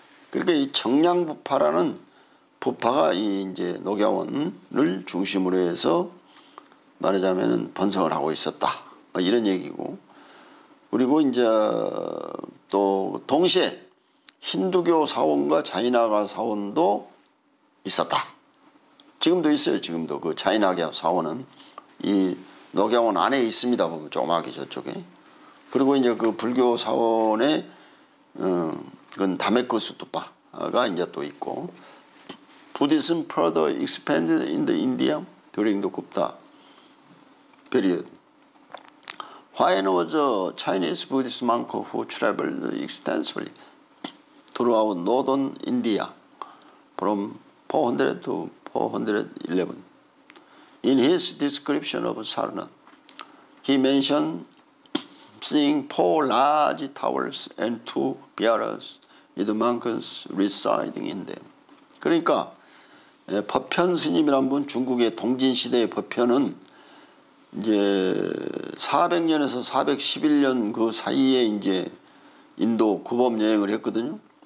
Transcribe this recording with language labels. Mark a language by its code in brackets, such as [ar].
[ko] 그러니까 이 정량부파라는 부파가 이 이제 녹야원을 중심으로 해서 말하자면은 번성을 하고 있었다 뭐 이런 얘기고, 그리고 이제 또 동시에 힌두교 사원과 자이나가 사원도 있었다. 지금도 있어요. 지금도 그 자이나가 사원은 이 녹야원 안에 있습니다. 보면 조그맣게 저쪽에. 그리고 이제 그 불교 사원의 그건 다메크 스투파가 이제 또 있고, [en] Buddhism further expanded in the India during the Gupta period. Huayan was a Chinese Buddhist monk who traveled extensively throughout northern India from 400 to 411. In his description of Sarnath, he mentioned seeing four large towers and two biharas with monks residing in them. [ko] 그러니까 법현 스님이란 분, 중국의 동진 시대의 법현은 이제 400년에서 411년 그 사이에 이제 인도 구법 여행을 했거든요.